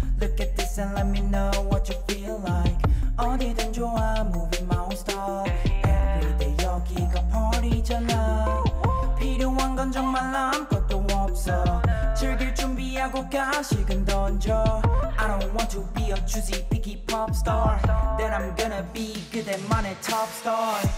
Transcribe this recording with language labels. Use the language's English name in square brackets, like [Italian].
[English] Look at this and let me know what you feel like. [Korean] 어디든 좋아, [English] moving my own style. [Korean] Every day 여기가 party잖아. 필요한 건 정말 아무것도 없어. 즐길 준비하고 가식은 던져. [English] I don't want to be a choosy picky pop star. Then I'm gonna be 그대만의 top star.